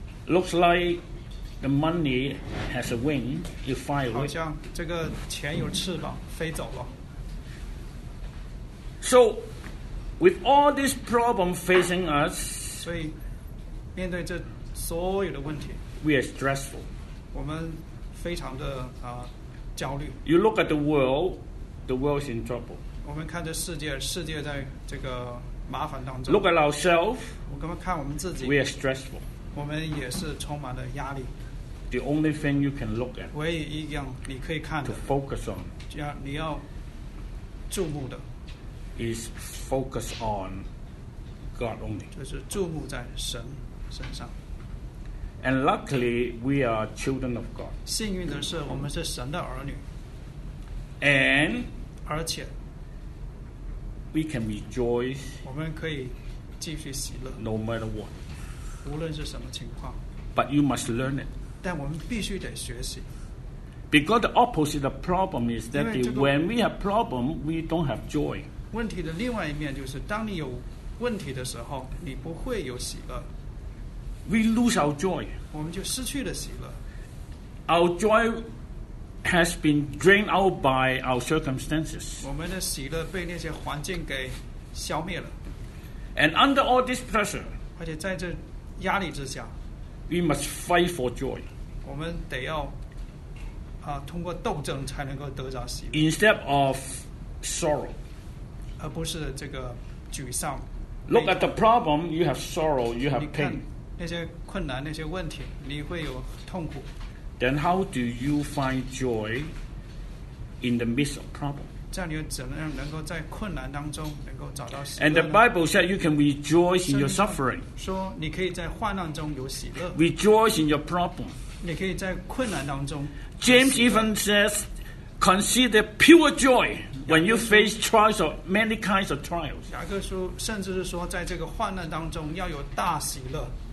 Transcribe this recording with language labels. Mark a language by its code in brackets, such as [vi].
[en] Looks like the money has a wing, it fly away. [zh] 好像这个钱有翅膀飞走了。 [en] So, with all this problem facing us, [zh] 所以面对这所有的问题 [en] we are stressful. [zh] 我们非常的焦虑。 [en] You look at the world is in trouble. [zh] 我们看这世界，世界在这个麻烦当中。 [en] Look at ourselves. [zh] 我刚刚看我们自己。 [en] We are stressful. [zh] 我们也是充满了压力。 [en] The only thing you can look at. [zh] 唯一一样你可以看的。 [en] To focus on. [zh] 你要注目的。 [en] Is focus on God only. [zh] 就是注目在神身上。 [en] And luckily, we are children of God. [zh] 幸运的是，我们是神的儿女。 [en] And [zh] 而且。 [en] We can rejoice. [zh] 我们可以继续喜乐。 [en] No matter what. [zh] 无论是什么情况。 [en] But you must learn it. [zh] 但我们必须得学习。 [en] Because the opposite of the problem is that when we have problem, we don't have joy. [zh] 问题的另外一面就是，当你有问题的时候，你不会有喜乐。 [en] We lose our joy. [zh] 我们就失去了喜乐。 [en] Our joy has been drained out by our circumstances. [zh] 我们的喜乐被那些环境给消灭了。 [en] And under all this pressure, [zh] 而且在这压力之下， [en] we must fight for joy. [zh] 我们得要通过斗争才能够得着喜乐。 [en] Instead of sorrow, [zh] 而不是这个沮丧。 [en] Look at the problem, you have sorrow, you have pain. [zh] 那些困难，那些问题，你会有痛苦。 [en] Then how do you find joy in the midst of problem? [zh] 这样你怎样能够在困难当中能够找到喜乐呢？ [en] And the Bible said you can rejoice in your suffering. [zh] 说你可以在患难中有喜乐。 [en] Rejoice in your problem. [zh] 你可以在困难当中。 [en] James even says, consider pure joy when you face trials or many kinds of trials. [zh] 雅各书甚至是说，在这个患难当中要有大喜乐。